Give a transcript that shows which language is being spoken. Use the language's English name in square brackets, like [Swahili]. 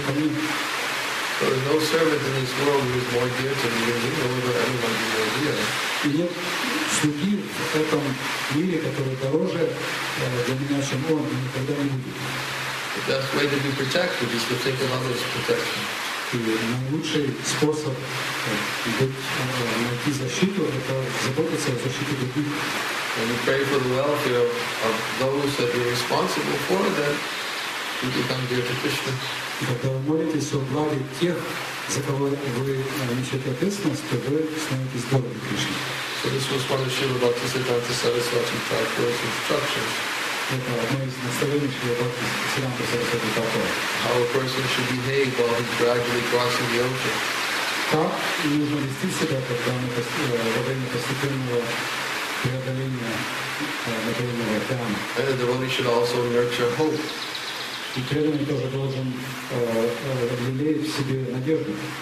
[English] There is no servant in this world who is more dear to me than me, nor will anyone be more dear. [Russian] И нет слуги в этом мире, который дороже для меня, чем он, и никогда не будет. [English] The best way to be protected is to think of others' protection. [Russian] И наилучший способ найти защиту — это заботиться о защите других. [English] When you pray for the welfare of those that you're responsible for, then you become dear to Krishna. [Russian] Когда вы молитесь о благе тех, за кого вы несете ответственность, то вы становитесь дорогим Кришне. [English] So this was one of Shiva Bhaktisiddhanta Saraswati Thakura's instructions. [Russian] Это одно из наставлений Шрила Бхактисиддханта Сарасвати Такура. [English] How a person should behave while he's gradually crossing the ocean. [Russian] Как нужно вести себя, когда мы во время постепенного преодоления материального океана. [English] And the devotee should also nurture hope. [Russian] И преданный тоже должен лелеять в себе надежду.